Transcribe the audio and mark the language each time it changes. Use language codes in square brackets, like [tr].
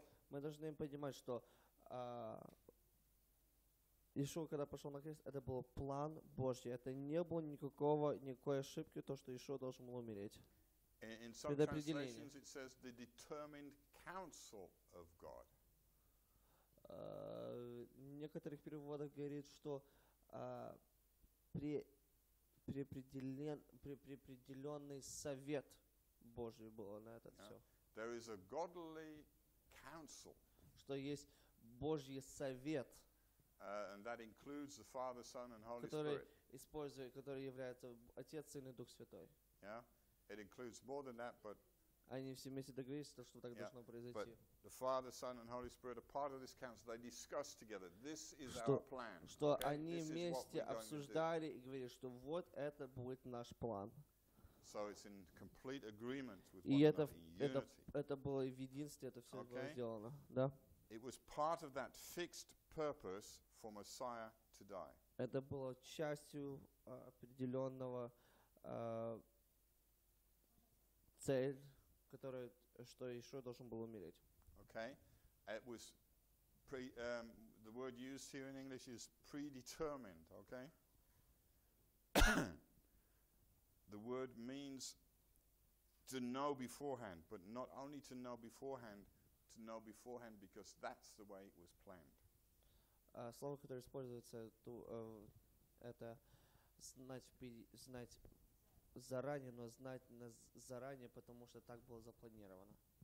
[ru] Мы должны понимать, что Иешуа, когда пошел на крест, это был план Божий. Это не было никакой ошибки, то, что Иешуа должен был умереть. [en] In some translations it says the determined counsel of God. [ru] В некоторых переводах говорит, что предопределенный совет Божий был на это все. [en] There is a godly counsel. [ru] Что есть Божий совет. [en] And that includes the Father, Son, and Holy Spirit. [ru] Который является Отец, Сын и Дух Святой. [en] Yeah. It includes more than that, but [ru] они все вместе договорились, что так должно произойти. [en] But the Father, Son, and Holy Spirit are part of this council. They discuss together. This is our plan. [ru] Что они вместе обсуждали и говорили, что вот это будет наш план. [en] So it's in complete agreement with one another. [ru] Это было в единстве, это все было сделано. Да. [en] It was part of that fixed purpose for Messiah to die. [ru] Это было частью определенного цели, который, что еще должен был умереть. [en] Okay. It was the word used here in English is predetermined, okay? The word means to know beforehand, but not only to know beforehand because that's the way it was planned. [ru] Слово, которое используется, это знать заранее, но знать заранее, потому что так было запланировано.